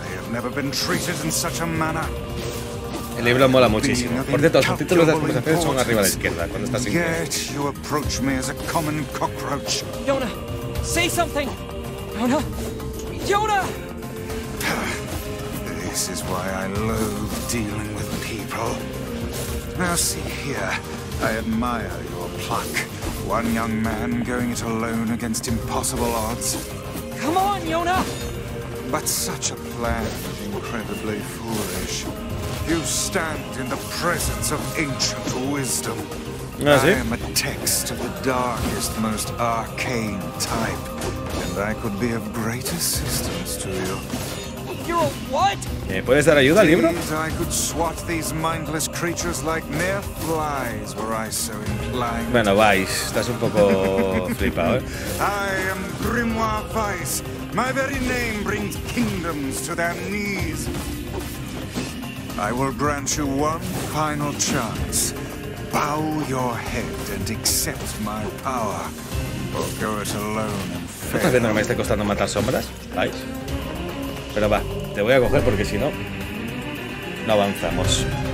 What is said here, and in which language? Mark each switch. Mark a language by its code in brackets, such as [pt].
[en] Never been treated in such a manner. [es] El libro mola muchísimo. Por cierto, los títulos de las conversaciones son arriba a la izquierda cuando estás en. [en] Yet you approach me as a common cockroach. Yona, say something. Yona, Yona. This is why I loathe dealing with people. Now see here, I admire your pluck. One young man going it alone against impossible odds. Come on, Yona. But such a plan is incredibly foolish. You stand in the presence of ancient wisdom. [es] ¿Sí? [en] I am a text of the darkest, most arcane type. And I could be of great assistance to you. You're a what? [es] ¿Me puedes dar ayuda, libro? [en] I could swat these mindless creatures like mere flies were I so inclined. [es] Bueno, Vice, estás un poco flipado, ¿eh? [en] I am Grimoire Vice. My very name brings kingdoms to their knees. I will grant you one final chance. Bow your head and accept my power. Or go it alone and fail. [es] ¿Estás viendo que me está costando matar sombras? ¿Vais? Pero va, te voy a coger porque si no, no avanzamos.